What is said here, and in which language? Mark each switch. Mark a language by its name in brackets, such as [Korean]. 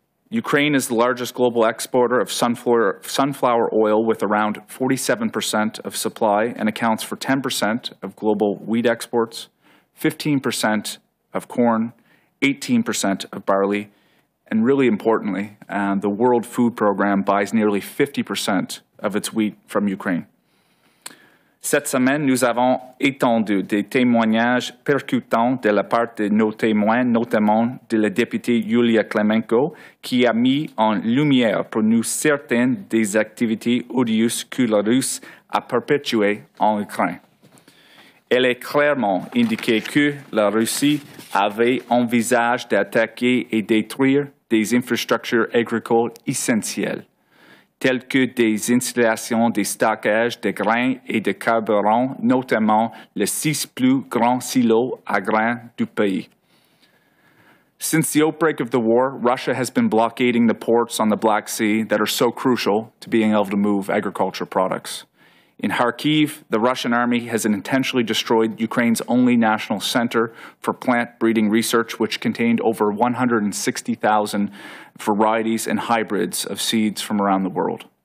[English] Ukraine is the largest global exporter of sunflower oil with around 47% of supply and accounts for 10% of global wheat exports, 15% of corn, 18% of barley, and really importantly, the World Food Program buys nearly 50% of its wheat from Ukraine. [French] Cette semaine, nous avons entendu des témoignages percutants de la part de nos témoins, notamment de la députée Yulia Klimenko, qui a mis en lumière pour nous certaines des activités odieuses que la Russie a perpétuées en Ukraine. Elle a clairement indiqué que la Russie avait envisagé d'attaquer et détruire des infrastructures agricoles essentielles, telles que des installations, des stockages de grains et de carburant, notamment les 6 plus grands silos à grains du pays. [English] Since the outbreak of the war, Russia has been blockading the ports on the Black Sea that are so crucial to being able to move agriculture products. In Kharkiv, the Russian army has intentionally destroyed Ukraine's only national center for plant breeding research, which contained over 160,000 varieties and hybrids of seeds from around the world.